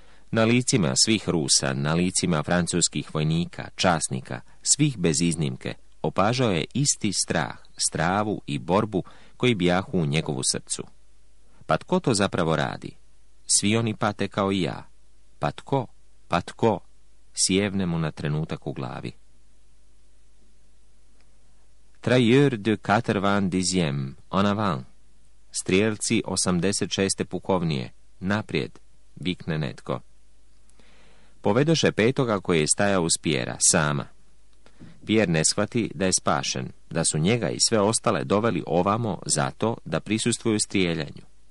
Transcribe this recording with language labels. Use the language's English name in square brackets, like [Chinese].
[Croatian] Na licima svih Rusa, na licima francuskih vojnika, časnika, svih bez iznimke, opažao je isti strah, stravu i borbu koji bijahu u njegovu srcu. Pa tko to zapravo radi? Svi oni pate kao i ja. Pa tko? Pa tko? Sjevne mu na trenutak u glavi. [French] Trailleurs de 90e, en avant. [Croatian] Strijelci 86. pukovnije, naprijed, vikne netko. Povedoše petoga koji je stajao uz Pierre, sama. Pierre ne shvati da je spašen, da su njega i sve ostale doveli ovamo zato da prisustvuju strijeljanju.